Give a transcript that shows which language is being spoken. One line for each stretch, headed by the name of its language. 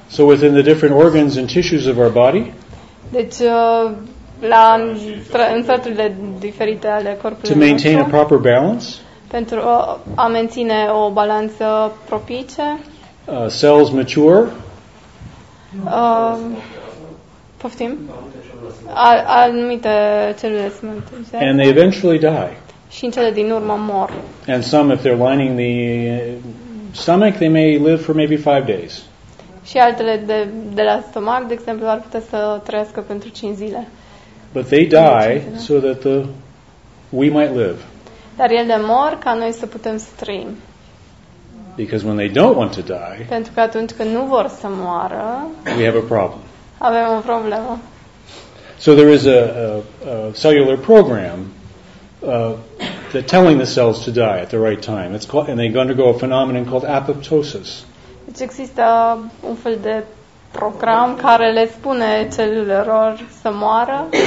English: So within the different organs and tissues of our body?
Romanian: Deci la în straturile diferite ale corpului.
English: To maintain a proper balance?
Romanian: Pentru a menține o balanță propice.
English: Cells mature?
Romanian: Poftim? Anumite celule se menține.
English: And they eventually die.
Romanian: Și în cele din urmă mor.
English: And some if they're lining the stomach, they may live for maybe 5 days.
Romanian: Și altele de la stomac, de exemplu, ar putea să trăiască pentru 5 zile.
English: But they die so that we might live.
Romanian: Dar ele mor ca noi să putem să trăim.
English: Because when they don't want to die,
Romanian: pentru că atunci când nu vor să moară,
English: we have a problem.
Romanian: Avem o problemă.
English: So there is a cellular program that telling the cells to die at the right time. It's called, and they undergo a phenomenon called apoptosis.
Romanian: Deci există un fel de program care le spune celulelor să moară.